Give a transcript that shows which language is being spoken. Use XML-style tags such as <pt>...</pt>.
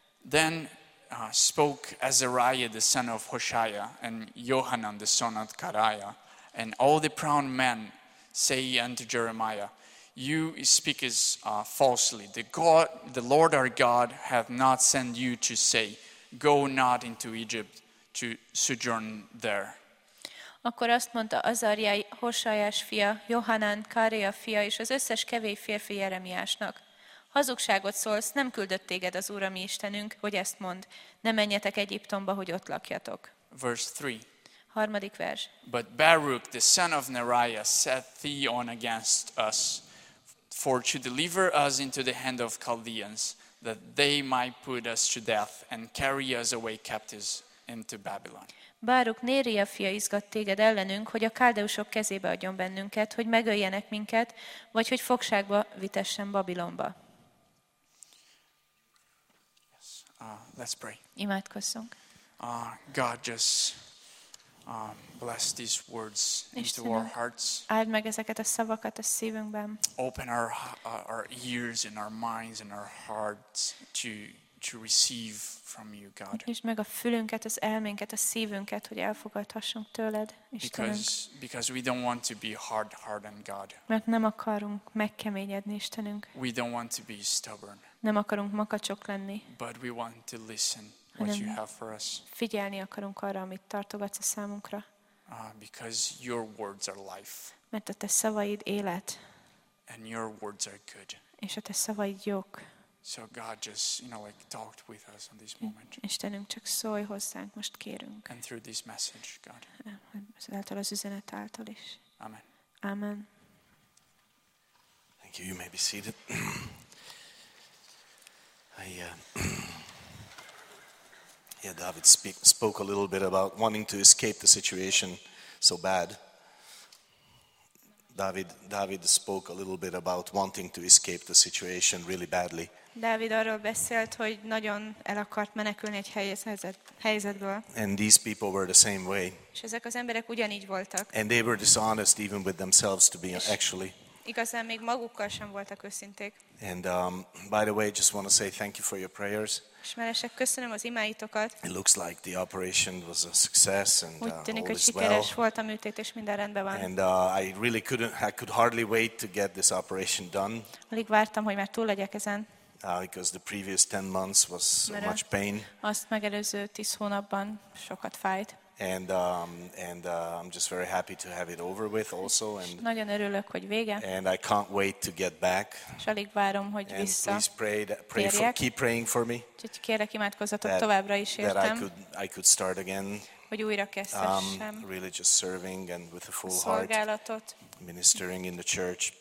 <en>Then spoke Azariah, the son of Hoshaiah, and Johanan, the son of Kariah, and all the proud men say unto Jeremiah, you speak is falsely. The Lord our God hath not sent you to say, go not into Egypt to sojourn there.</en> <hu>Akkor azt mondta Azariah, Hosajás fia, Johanan, Kareja fia és az összes kevés férfi Jeremiásnak. Hazugságot szólsz, nem küldött téged az Úr, a mi Istenünk, hogy ezt mond, ne menjetek Egyiptomba, hogy ott lakjatok.</hu> <en>Verse 3.</en> <hu>Harmadik vers.</hu> <en>But Baruch, the son of Neriah, set thee on against us, for to deliver us into the hand of Chaldeans, that they might put us to death and carry us away captives into Babylon.</en> <hu>Báruk Néria fia izgat téged ellenünk, hogy a káldeusok kezébe adjon bennünket, hogy megöljenek minket, vagy hogy fogságba vitessen Babilonba.</hu> <en>Yes. Let's pray.</en> <hu>Imádkozzunk.</hu> <en>God, just bless these words into our hearts.</en> <hu>Áld meg ezeket a szavakat a szívünkben.</hu> <en>Open our ears and our minds and our hearts to receive from you, God.</en> <hu>Nyisd meg a fülünket, az elménket, a szívünket, hogy elfogadhassunk tőled, Istenünk.</hu> <en>Because we don't want to be hard-hearted, God.</en> <hu>Mert nem akarunk megkeményedni, Istenünk.</hu> <en>We don't want to be stubborn.</en> <hu>Nem akarunk makacsok lenni.</hu> <en>But we want to listen what you have for us.</en> <hu>Figyelni akarunk arra, amit tartogatsz a számunkra.</hu> <en>Because your words are life.</en> <hu>Mert a te szavaid élet.</hu> <en>And your words are good.</en> <hu>És a te szavaid jók.</hu> <en>So God, just talked with us on this moment.</en> <hu>Istenünk, csak szólj hozzánk, most kérünk.</hu> <en>And through this message, God.</en> <hu>Ezáltal az üzenet által is.</hu> <en>Amen.</en> <hu>Amen.</hu> <en>Thank you. You may be seated. David spoke a little bit about wanting to escape the situation so bad. David spoke a little bit about wanting to escape the situation really badly.</en> <hu>David arról beszélt, hogy nagyon el akart menekülni egy helyzetből.</hu> <en>And these people were the same way.</en> <hu>És ezek az emberek ugyanígy voltak.</hu> <en>And they were dishonest even with themselves to be actually.</en> <hu>Igazán még magukkal sem voltak őszinték.</hu> <en>And by the way, just want to say thank you for your prayers.</en> <hu>Ismeresek, köszönöm az imáitokat.</hu> <en>It looks like the operation was a success and</en> <hu>úgy tűnik,</hu> <en>all is</en> <hu>sikeres</hu> <en>well.</en> <hu>Volt a műtét és minden rendben van.</hu> <en>And I could hardly wait to get this operation done.</en> <hu>Alig vártam, hogy már túl legyek ezen.</hu> <en>Because the previous 10 months was much pain.</en> <hu>Azt megelőző 10 hónapban sokat fájt.</hu> <en>And I'm just very happy to have it over with also. And</en> <hu>nagyon örülök, hogy vége.</hu> <en>And I can't wait to get back.</en> <hu>És alig várom, hogy</hu> <en>and</en> <hu>vissza.</hu> <en>Please pray for, keep praying for me.</en> <hu>Kérlek, imádkozzatok továbbra is értem.</hu> <en>That I could start again.</en> <hu>hogy újra kezdhessem</hu> <en>religious serving and with a full heart ministering in the church.</en>